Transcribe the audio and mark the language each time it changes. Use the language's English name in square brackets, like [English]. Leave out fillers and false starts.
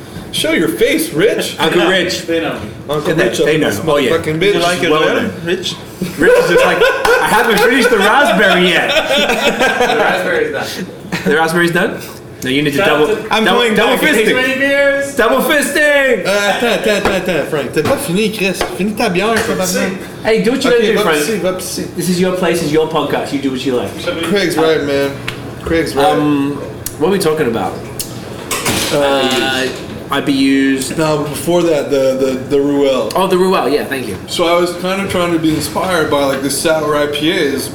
[English] Show your face, Rich. Uncle Rich. They know. Uncle Rich. They know. Oh, yeah. You like it well, then. Rich? Rich is just like, I haven't finished the raspberry yet. The raspberry's done. The raspberry's done? No, you need to double. I'm going double fisting. Double fisting. [French] Attends, Frank. T'as pas fini, Chris. Fini ta bière, probablement. [English] Hey, do what you want to do, Frank. [French] Va pisser. [English] This is your place. It's your podcast. You do what you like. Craig's right, man. Craig's right. What are we talking about? IBUs. No, before that, the Ruelle. Oh, the Ruelle, yeah, thank you. So I was kind of trying to be inspired by, like, the sour IPAs.